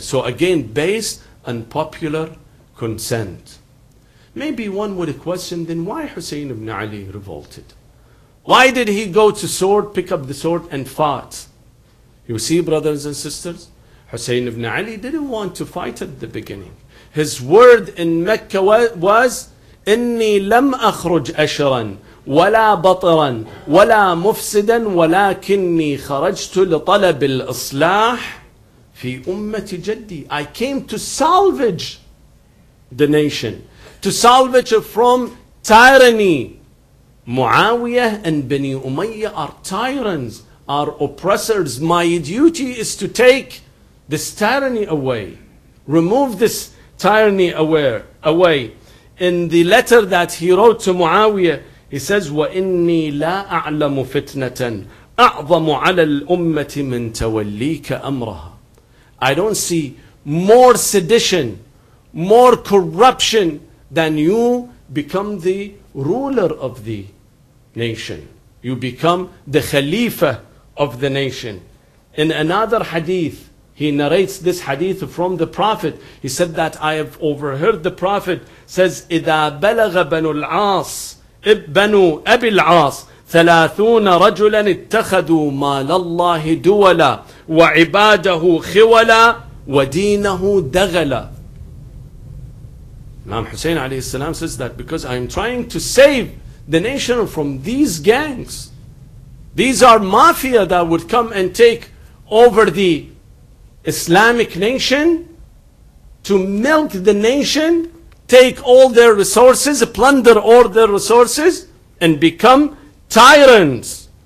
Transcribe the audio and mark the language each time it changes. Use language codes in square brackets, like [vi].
[en] So again, based on popular consent. Maybe one would question, then why Hussein ibn Ali revolted? Why did he go to sword, pick up the sword and fought? You see, brothers and sisters, Hussein ibn Ali didn't want to fight at the beginning. His word in Mecca was, [ar] إِنِّي لَمْ أَخْرُجْ أَشْرًا وَلَا بَطَرًا وَلَا مُفْسِدًا وَلَكِنِّي خَرَجْتُ لِطَلَبِ الْإِصْلَاحِ فِي أُمَّةِ جَدِّي. [en] I came to salvage the nation, to salvage it from tyranny. Muawiyah and Bani Umayyah are tyrants, are oppressors. My duty is to take this tyranny away, remove this tyranny away. In the letter that he wrote to Muawiyah, he says, [ar] وَإِنِّي لَا أَعْلَمُ فِتْنَةً أَعْظَمُ عَلَى الْأُمَّةِ مِنْ تَوَلِّيكَ أَمْرَهَا. [en] I don't see more sedition, more corruption than you become the ruler of the nation. You become the Khalifa of the nation. In another hadith, he narrates this hadith from the Prophet. He said that I have overheard the Prophet says, [ar] إِذَا بَلَغَ بَنُ الْعَاصِ بَنُ أَبِي الْعَاصِ ثَلَاثُونَ رَجُلًا اتَّخَذُوا مَالَ اللَّهِ دُوَلًا وَعِبَادَهُ خِوَلًا وَدِينَهُ دَغَلًا. [en] Imam Hussein عليه السلام says that because I am trying to save the nation from these gangs. These are mafia that would come and take over the Islamic nation, to milk the nation, take all their resources, plunder all their resources, and become tyrants.